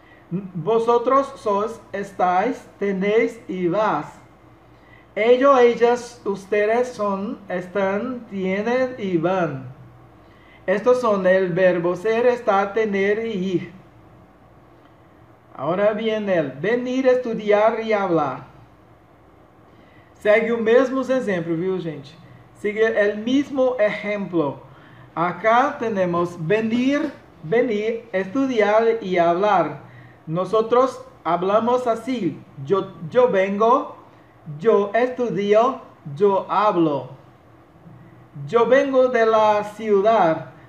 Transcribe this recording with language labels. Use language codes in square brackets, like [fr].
[es] Vosotros sois, estáis, tenéis y vas. Ellos, ellas, ustedes son, están, tienen y van. Estos son el verbo ser, estar, tener y ir. Ahora viene el venir, estudiar y hablar. [pt] Segue o mesmo exemplo, viu, gente? [es] Sigue el mismo ejemplo. Acá tenemos venir, venir, estudiar y hablar. Nosotros hablamos así. Yo vengo, yo estudio, yo hablo. Yo vengo de la ciudad.